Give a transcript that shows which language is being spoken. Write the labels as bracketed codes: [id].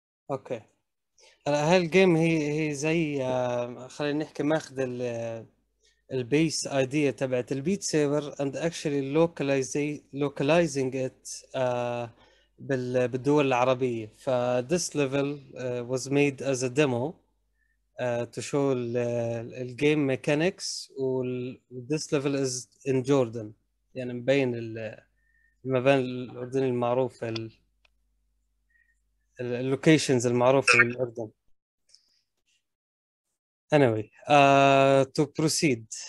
[en] Okay. [ar] هلا هاي الجيم هي زي خلينا نحكي ماخذ البيس ايديا تبعت البيت سيفر [en] and actually localizing it [ar] بالدول العربية. [en] ف this level was made as a demo to show the game mechanics this level is in Jordan. [ar] يعني مبين المباني الأردنية المعروفة اللوكيشنز المعروفة بالأردن. [en] Anyway, to proceed.